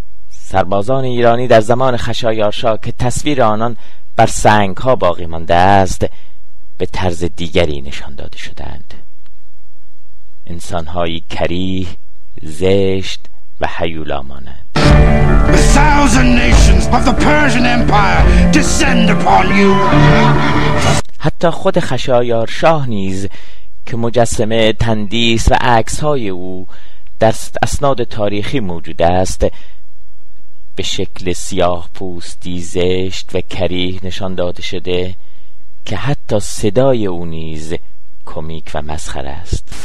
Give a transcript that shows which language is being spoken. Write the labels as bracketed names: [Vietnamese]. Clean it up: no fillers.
[Persian] سربازان ایرانی در زمان خشایارشاه که تصویر آنان بر سنگ ها باقی مانده است، به طرز دیگری نشان داده شدند. انسان هایی کریه، زشت و هیولا مانند. [English] The thousand nations of the Persian Empire descend upon you. [Persian] حتی خود خشایارشاه نیز که مجسمه، تندیس و عکس های او در اسناد تاریخی موجود است، به شکل سیاه پوستی زشت و کریه نشان داده شده که حتی صدای او نیز کمیک و مسخره است.